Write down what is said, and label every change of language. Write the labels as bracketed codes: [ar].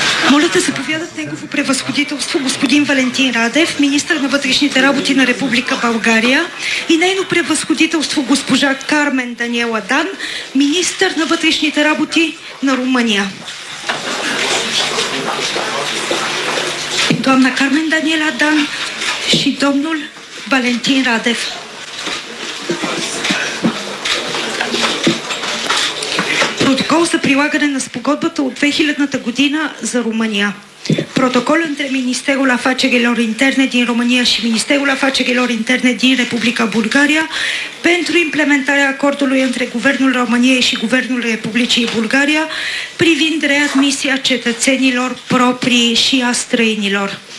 [bg] Моля да заповядат негово превъзходителство господин Валентин Радев, министър на вътрешните работи на Република България, и нейно превъзходителство госпожа Кармен Даниела Дан, министър на вътрешните работи на Румъния. [ro] Doamna Carmen Daniela Dan și domnul Valentin Radev. [bg] Протокол за прилагане на спогодбата от 2000-та година за Румъния. [ro] Протокол între Ministerul Afacerilor Interne din România și Ministerul Afacerilor Interne din Republica Bulgaria pentru implementarea acordului între Guvernul României și Guvernul Republicii Bulgaria privind readmisia cetățenilor proprii și a străinilor.